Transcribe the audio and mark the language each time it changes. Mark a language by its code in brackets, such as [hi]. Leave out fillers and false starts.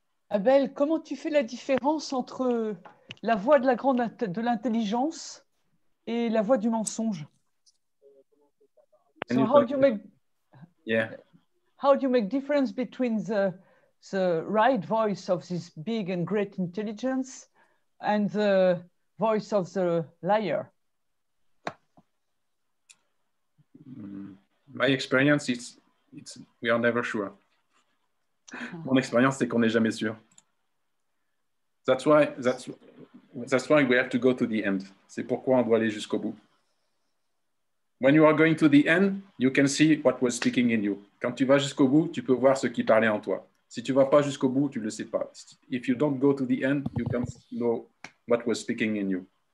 [fr] Abel, comment tu fais la différence entre la voix de la grande de l'intelligence et la voix du mensonge? [en] So how do you make? Yeah. How do you make difference between the right voice of this big and great intelligence and the voice of the liar? My experience is we are never sure. [fr] Mon expérience, c'est qu'on n'est jamais sûr. [en] That's why we have to go to the end. [fr] C'est pourquoi on doit aller jusqu'au bout. [en] When you are going to the end, you can see what was speaking in you. [fr] Quand tu vas jusqu'au bout, tu peux voir ce qui parlait en toi. Si tu vas pas jusqu'au bout, tu le sais pas. [en] If you don't go to the end, you can't know what was speaking in you.